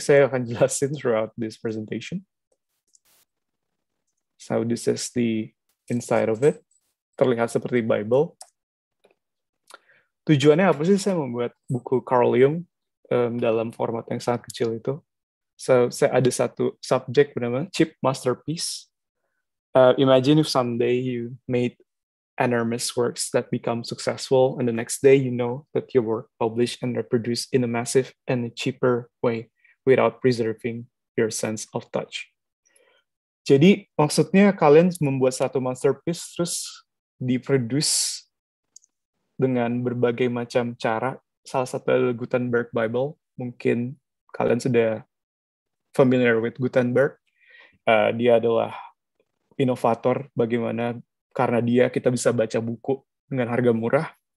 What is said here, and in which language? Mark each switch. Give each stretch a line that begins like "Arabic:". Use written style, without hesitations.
Indonesian: Saya akan jelasin
English: throughout this presentation. So this is the inside of it.
Indonesian: Terlihat seperti Bible. Tujuannya apa sih saya membuat buku Carl Jung dalam format yang sangat kecil itu? So saya ada satu subjek bernama Chip Masterpiece.
English: Imagine if someday you made enormous works that become successful, and the next day you know that your work published and reproduced in a massive and a cheaper way without preserving your sense of touch.
Indonesian: Jadi maksudnya kalian membuat satu masterpiece terus diproduce dengan berbagai macam cara, salah satu adalah Gutenberg Bible. Mungkin kalian sudah
English: familiar with Gutenberg.
Indonesian: Dia adalah inovator bagaimana karena dia kita bisa baca buku dengan harga murah.